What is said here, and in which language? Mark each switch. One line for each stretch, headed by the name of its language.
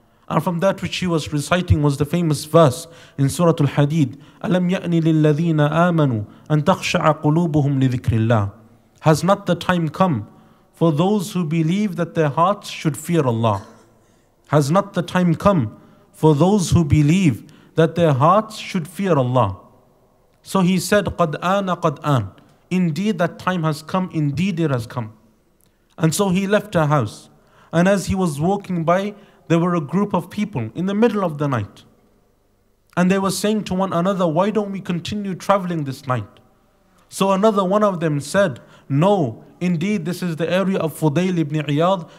English: And from that which she was reciting was the famous verse in Surah Al-Hadid,
Arabic: أَلَمْ يَأْنِ لِلَّذِينَ آمَنُوا أَنْ تَخْشَعَ قُلُوبُهُمْ لِذِكْرِ اللَّهِ.
English: Has not the time come for those who believe that their hearts should fear Allah? Has not the time come for those who believe that their hearts should fear Allah? So he said,
Arabic: قَدْ آنَ قَدْ آنَ.
English: Indeed, that time has come. Indeed, it has come. And so he left her house. And as he was walking by, there were a group of people in the middle of the night. And they were saying to one another, why don't we continue traveling this night? So another one of them said, no, indeed, this is the area of Fudayl ibn Iyad.